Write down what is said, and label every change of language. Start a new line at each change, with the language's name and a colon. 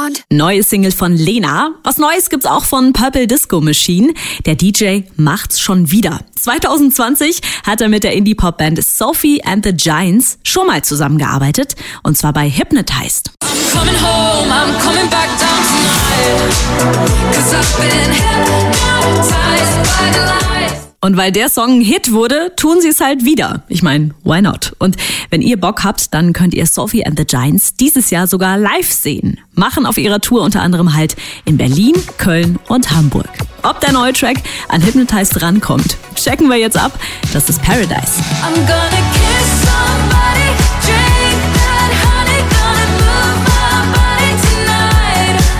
German: Neue Single von Lena. Was Neues gibt's auch von Purple Disco Machine. Der DJ macht's schon wieder. 2020 hat er mit der Indie-Pop-Band Sophie and the Giants schon mal zusammengearbeitet. Und zwar bei Hypnotized.
English: I'm coming home, I'm coming back down tonight. Cause I've been hypnotized by the light.
German: Und weil der Song ein Hit wurde, tun sie es halt wieder. Ich meine,
English: why not?
German: Und wenn ihr Bock habt, dann könnt ihr Sophie and the Giants dieses Jahr sogar live sehen. Machen auf ihrer Tour unter anderem halt in Berlin, Köln und Hamburg. Ob der neue Track an Hypnotized rankommt, checken wir jetzt ab. Das ist Paradise.
English: I'm gonna kiss somebody, drink that honey, gonna move my body tonight.